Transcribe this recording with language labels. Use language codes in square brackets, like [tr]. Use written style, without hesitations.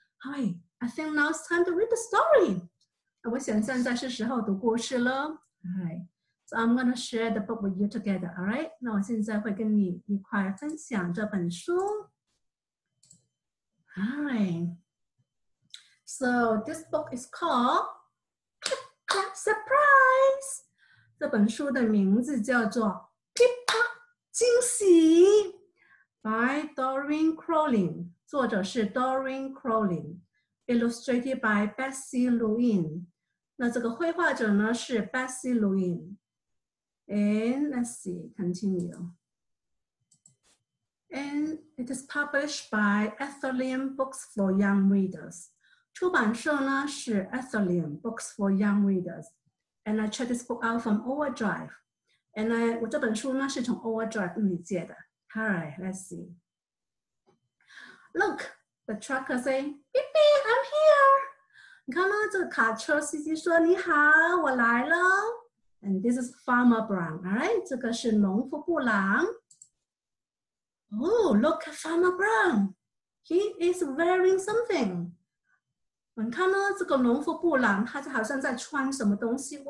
[en] Hi，I think now it's time to read the story。 [zh] 我想现在是时候读故事了。 [en] Alright，so I'm gonna share the book with you together。 Alright， [zh] 那我现在会跟你一块分享这本书。 [en] Alright，so this book is called Clap Surprise。 [zh] 这本书的名字叫做《噼啪惊喜》，by Doreen Crowling， 作者是 Doreen Crowling， [en] illustrated by Bessie Luin。 [zh] 那这个绘画者呢是 Bessie Luin。 [en] And let's see, continue. And it is published by Atheling Books for Young Readers. [zh] 出版社呢是 Atheling Books for Young Readers。 [en] And I checked this book out from Overdrive. And I, [zh] 我这本书呢是从 Overdrive 里借的。 [en] Alright, let's see. Look, the trucker say, beep beep, I'm here. [zh] 你看吗？这个卡车司机说，你好，我来了。 [en] And this is Farmer Brown, alright? [zh] 这个是农夫布朗。 [en] Oh, look at Farmer Brown. He is wearing something. [zh] 你看呢，这个农夫布朗，他就好像在穿什么东西。